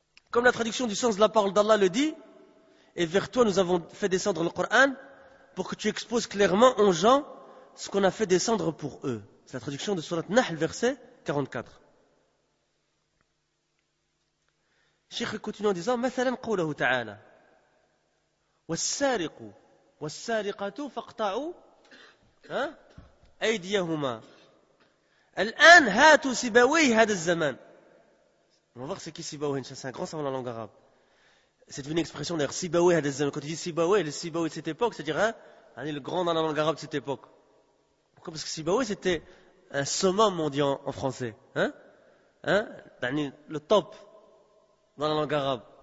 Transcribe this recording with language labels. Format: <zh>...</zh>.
<fr>Comme la traduction du sens de la parole d'Allah le dit, et vers toi nous avons fait descendre le Coran, pour que tu exposes clairement aux gens ce qu'on a fait descendre pour eux. C'est la traduction de Surat Nahl, verset 44. Cheikh continue en disant,</fr> <ar>مثلاً قوله تعالى والسارق والسارقة فاقطعوا أيديهما الآن هاتوا سباوي هذا الزمان.</ar> <fr>On va voir ce qui est سباوي, c'est un grand savant dans la langue arabe. C'est une expression d'ailleurs,</fr> <ar>سباوي هذا الزمان.</ar> <fr>Quand tu dis سباوي, le سباوي de cette époque, c'est-à-dire, hein, Ali le grand dans la langue arabe de cette époque. Pourquoi? Parce que Sibawi c'était un summum, on dit en français. Hein? Le top dans la langue arabe.</fr>